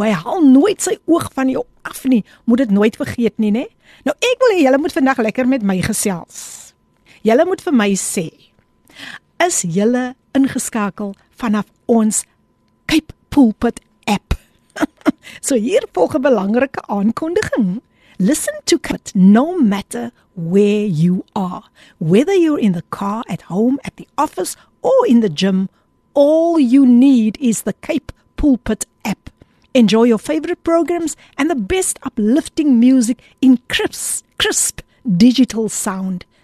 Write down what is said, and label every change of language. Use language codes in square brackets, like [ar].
[af] Hy haal nooit sy oog van jou af nie. Moet dit nooit vergeet nie, né? Nou, ek wil hê julle moet vandag lekker met my gesels. Julle moet vir my sê, is julle ingeskakel vanaf ons Cape Pulpit app? So hier volg 'n belangrike aankondiging. [en] Listen to it no matter where you are. Whether you're in the car, at home, at the office, or in the gym, all you need is the Cape Pulpit app. Enjoy your favorite programs and the best uplifting music in crisp digital sound.